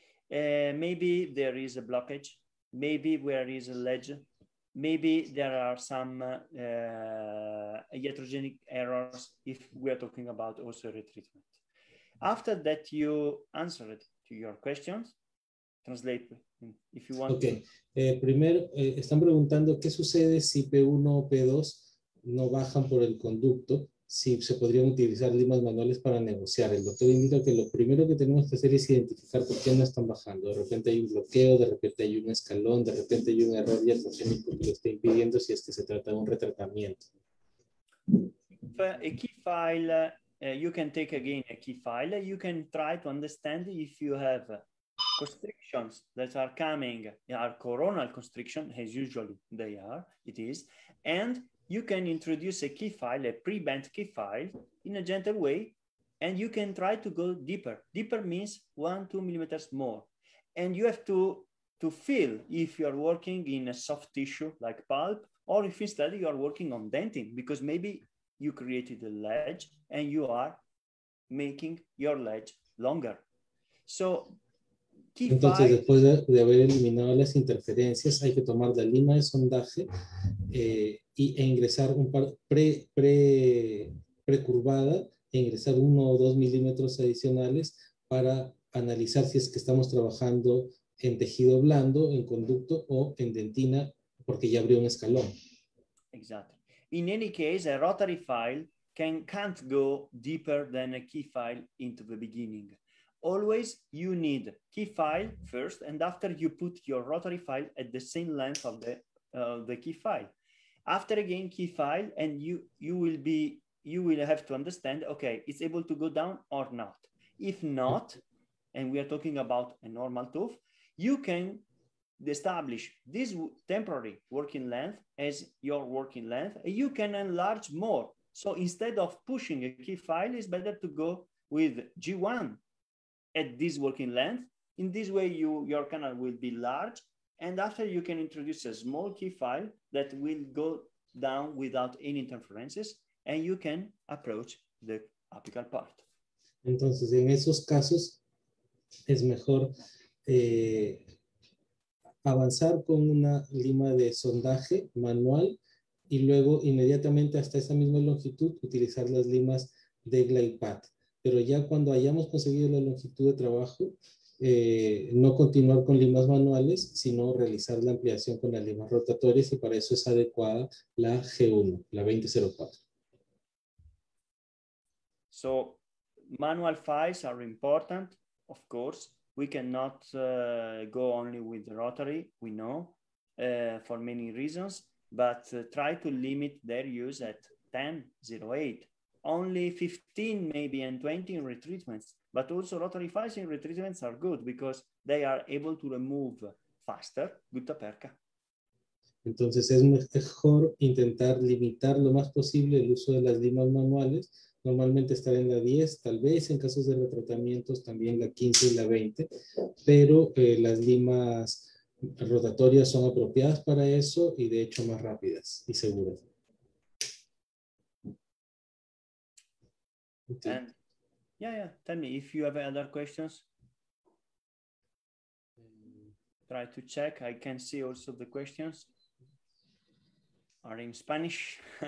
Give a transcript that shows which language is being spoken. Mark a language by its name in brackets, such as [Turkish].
[English] Maybe there is a blockage. Maybe there is a ledge. Maybe there are some iatrogenic errors if we are talking about also retreatment. After that, you answer it to your questions. Translate if you want. Okay. [Spanish] Primero, están preguntando qué sucede si P1 o P2 no bajan por el conducto, si se podrían utilizar limas manuales para negociar. El doctor indica que lo primero que tenemos que hacer es identificar por qué no están bajando. De repente hay un bloqueo, de repente hay un escalón, de repente hay un error diatrogénico que lo está impidiendo, si es que se trata de un retratamiento. [English] A key file, you can take again a key file. You can try to understand if you have constrictions that are coming, are coronal constriction, as usually they are, it is, and you can introduce a key file, a pre-bent key file, in a gentle way, and you can try to go deeper. Deeper means 1-2 millimeters more. And you have to feel if you are working in a soft tissue like pulp, or if instead you are working on dentin, because maybe you created a ledge and you are making your ledge longer. So [Spanish] entonces, después de haber eliminado las interferencias, hay que tomar la lima de sondaje e ingresar un par precurvada, e ingresar 1 o 2 milímetros adicionales para analizar si es que estamos trabajando en tejido blando, en conducto o en dentina, porque ya abrió un escalón. Exacto. [English] In any case, a rotary file can't go deeper than a key file into the beginning. Always you need key file first, and after you put your rotary file at the same length of the key file. After again key file, and you will have to understand, okay, it's able to go down or not. If not, and we are talking about a normal tooth, you can establish this temporary working length as your working length, and you can enlarge more. So instead of pushing a key file, it's better to go with G1. At this working length. In this way, your canal will be large. And after you can introduce a small key file that will go down without any interferences, and you can approach the apical part. [Spanish] Entonces, en esos casos, es mejor avanzar con una lima de sondaje manual y luego inmediatamente hasta esa misma longitud utilizar las limas de glide pad. Pero ya cuando hayamos conseguido la longitud de trabajo, no continuar con limas manuales, sino realizar la ampliación con las limas rotatorias, y para eso es adecuada la G1, la 2004. [English] So, manual files are important, of course. We cannot go only with the rotary, we know, for many reasons, but try to limit their use at 10.08. Only 15 maybe and 20 in retreatments, but also rotary files in retreatments are good because they are able to remove faster gutta percha. [Spanish] Entonces es mejor intentar limitar lo más posible el uso de las limas manuales, normalmente estar en la 10, tal vez en casos de retratamientos también la 15 y la 20, pero las limas rotatorias son apropiadas para eso y de hecho más rápidas y seguras. [English] And yeah, tell me if you have other questions. Try to check. I can see also the questions are in Spanish.